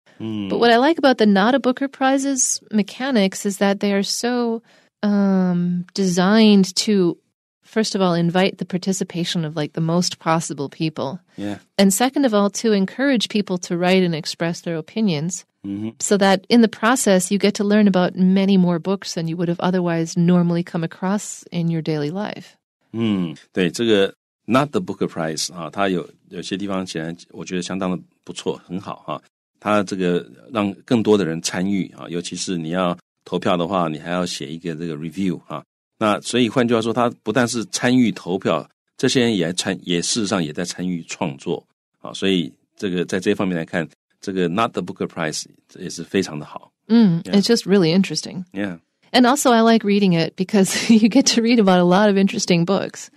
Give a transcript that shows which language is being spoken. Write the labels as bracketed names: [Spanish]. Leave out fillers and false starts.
[English] But what I like about the Not a Booker Prize's mechanics is that they are so designed to, first of all, invite the participation of, like, the most possible people. Yeah. And second of all, to encourage people to write and express their opinions. Mm-hmm. So that in the process, you get to learn about many more books than you would have otherwise normally come across in your daily life. [Chinese] 对这个 Not the Booker Prize 它有些地方显然我觉得相当的不错，很好，它这个让更多的人参与，尤其是你要投票的话，你还要写一个这个 review 那所以换句话说，它不但是参与投票，这些人也事实上也在参与创作，所以这个在这方面来看。这个 Not the Booker Prize 也是非常的好。 [English] It's just really interesting. Yeah. And also I like reading it because you get to read about a lot of interesting books.